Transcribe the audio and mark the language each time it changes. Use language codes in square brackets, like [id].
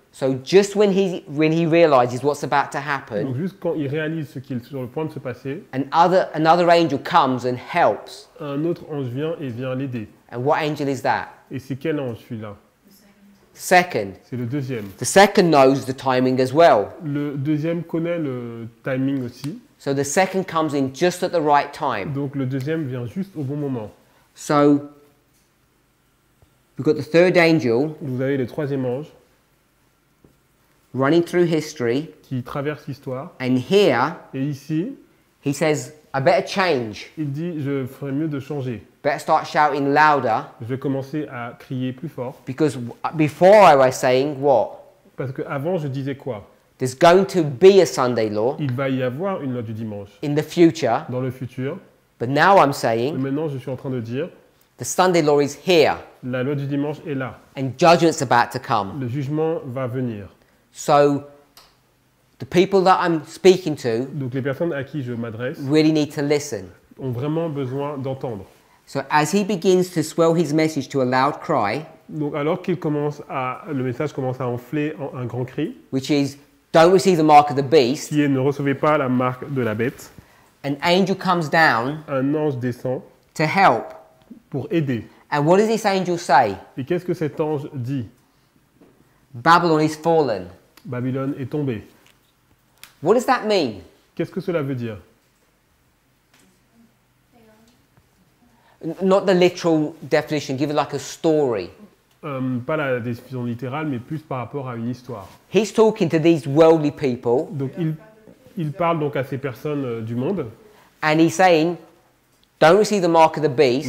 [en] So just when he realizes what's about to happen. [fr] Donc juste quand il réalise ce qui est sur le point de se passer. [en] Another angel comes and helps. [fr] Un autre ange vient et vient l'aider. [en] And what angel is that? [fr] Et c'est quel ange celui-là? [en] Second. [fr] C'est le deuxième. [en] The second knows the timing as well. [fr] Le deuxième connaît le timing aussi. [en] So the second comes in just at the right time. [fr] Donc le deuxième vient juste au bon moment. [en] So we've got the third angel. [fr] Vous avez le troisième ange. [en] Running through history. [fr] Qui traverse l'histoire. [en] And here. [fr] Et ici. [en] He says, I better change. [fr] Il dit, je ferais mieux de changer. [en] Better start shouting louder. [fr] Je vais commencer à crier plus fort. [en] Because before I was saying what? [fr] Parce que avant je disais quoi? [en] There's going to be a Sunday law. [fr] Il va y avoir une loi du dimanche. [en] In the future. [fr] Dans le futur. [en] But now I'm saying. [fr] Mais maintenant je suis en train de dire. [en] The Sunday law is here. [fr] La loi du dimanche est là. [en] And judgment's about to come. [fr] Le jugement va venir. [en] So the people that I'm speaking to. [fr] Donc les personnes à qui je m'adresse. [en] Really need to listen. [fr] Ont vraiment besoin d'entendre. [en] So as he begins to swell his message to a loud cry, [fr] donc alors qu'il commence à le message commence à enfler en un grand cri, [en] which is don't receive the mark of the beast, [fr] qui est ne recevez pas la marque de la bête, [en] an angel comes down, [fr] un ange descend, [en] to help, [fr] pour aider, [en] and what does this angel say? [fr] Et qu'est-ce que cet ange dit? [en] Babylon is fallen. [fr] Babylone est tombée. [en] What does that mean? [fr] Qu'est-ce que cela veut dire? [en] Not the literal definition, give it like a story. [fr] Pas la définition littérale, mais plus par rapport à une histoire. [en] He's talking to these worldly people. [fr] Donc il parle donc à ces personnes du monde. [en] And he's saying, don't receive the mark of the beast.